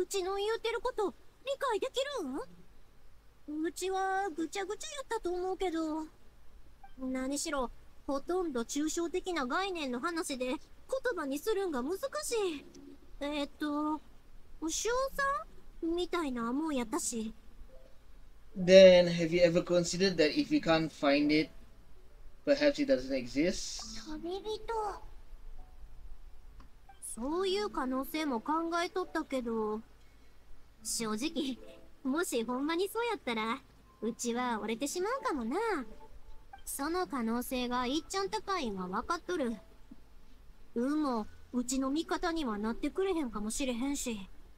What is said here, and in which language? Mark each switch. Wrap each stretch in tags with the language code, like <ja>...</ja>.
<ja>うちの言うてること理解できるん？うちはぐちゃぐちゃやったと思うけど、何しろほとんど抽象的な概念の話で言葉にするんが難しい。小さんみたいなもんやったし。</ja> <en>Then have you ever considered that if you can't find it, perhaps it doesn't exist?</en> <ja>旅人。そういう可能性も考えとったけど、正直、もしほんまにそうやったら、うちは折れてしまうかもな。その可能性がいっちゃん高いんは分かっとる。運もうちの味方にはなってくれへんかもしれへんし。</ja>